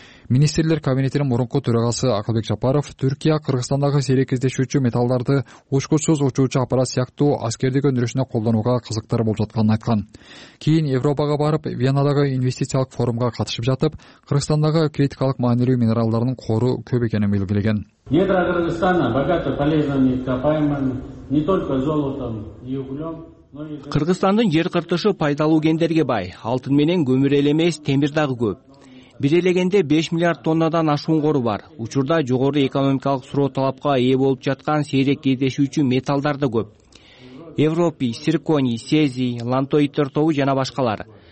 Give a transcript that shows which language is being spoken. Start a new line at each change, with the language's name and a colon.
Kyrgyz: Министрлер кабинетинин мурунку төрагасы Акылбек Жапаров Түркия Кыргызстандагы сейрек кездешүүчү металдарды учкучсуз учуучу аппарат сыяктуу аскердик өндүрүшүнө колдонууга кызыктар болуп жатканын айткан. Кийин Европага барып, Венадагы инвестициялык форумга катышып жатып, Кыргызстандагы критикалык маанилүү минералдардын кору көп экенин белгилеген.
Russian: Недра Кыргызстана богата полезными ископаемыми, не только золотом и углем.
Kyrgyz: Кыргызстандын жер кыртышы пайдалуу кендерге бай, алтын менен көмүр эле эмес, темир дагы көп. Бир элегенде 5 миллиард тоннадан ашуун кору бар. Учурда жогору экономикалык суроо талапка ээ болуп жаткан сейрек кездешүүчү металдар да көп. Европий, цирконий, сезий, лантоит тобу жана башкалар.